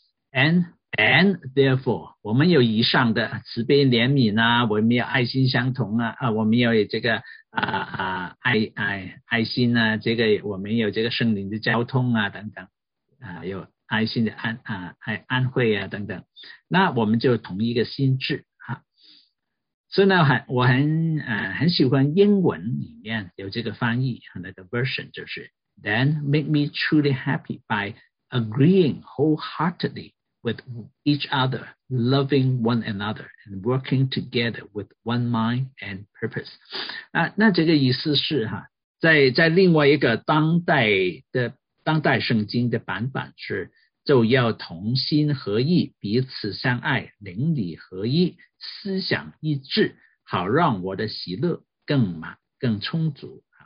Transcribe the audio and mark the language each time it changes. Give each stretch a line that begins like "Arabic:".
English: And therefore，
Chinese: 我们有以上的慈悲怜悯啊，我们有爱心相同啊，我们有这个爱心啊，这个我们有这个圣灵的交通啊等等啊，有爱心的安慰啊等等，那我们就同一个心智哈。所以呢，我很喜欢英文里面有这个翻译，那个 version 就是
English: Then make me truly happy by agreeing wholeheartedly with each other, loving one another, and working together with one mind and purpose.
Chinese: 那这个意思是哈，在另外一个当代圣经的版本是，就要同心合意，彼此相爱，灵里合一，思想一致，好让我的喜乐更满更充足。